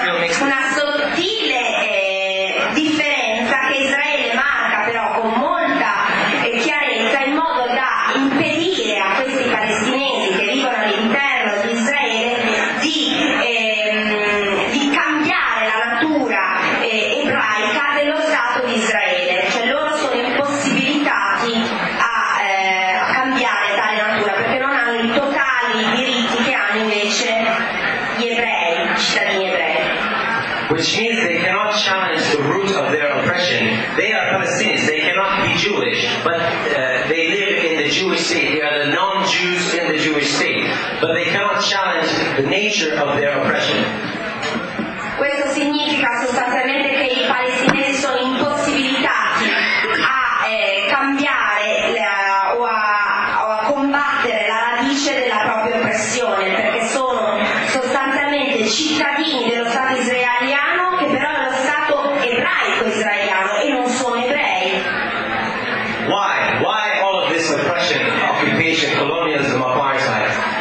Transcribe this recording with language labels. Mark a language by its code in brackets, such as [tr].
[it] È una sottile differenza che Israele marca però con molta chiarezza, in modo da impedire a questi palestinesi che vivono all'interno di Israele di cambiare la natura ebraica dello Stato di Israele. Cioè loro sono impossibilitati a cambiare tale natura, perché non hanno i totali diritti che hanno invece gli ebrei, i cittadini ebrei. [en] Which means they cannot challenge the root of their oppression. They are Palestinians, they cannot be Jewish, but they live in the Jewish state. They are the non-Jews in the Jewish state, but they cannot challenge the nature of their oppression. [it] Questo significa sostanzialmente che i palestinesi sono impossibilitati a cambiare o a combattere la radice della propria oppressione, perché sono sostanzialmente cittadini dello Stato israeliano, che però è lo Stato ebraico israeliano e non sono ebrei. [en] Why? Why all of this oppression, occupation, colonialism, apartheid?